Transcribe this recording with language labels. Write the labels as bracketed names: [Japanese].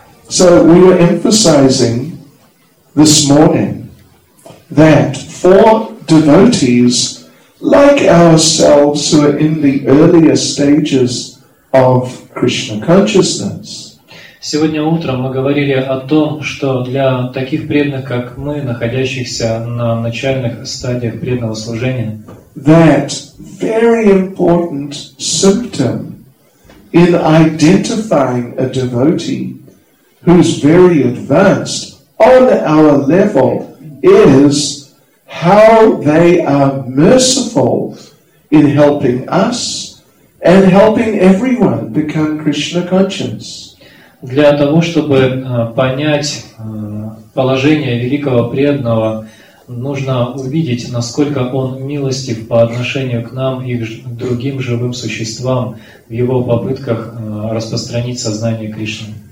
[English] So we were emphasizing this morning that for devotees like ourselves who are in the earlier stages of Krishna consciousness. [Russian] Сегодня утром мы говорили о том, что для таких преданных, как мы, находящихся на начальных стадиях преданного служения, [English] that very important symptom in identifying a devotee who's very advanced on our level is how they are merciful in helping us and helping everyone become Krishna conscious. [Russian] Для того, чтобы понять положение великого преданного, нужно увидеть, насколько он милостив по отношению к нам и к другим живым существам в его попытках распространить сознание Кришны.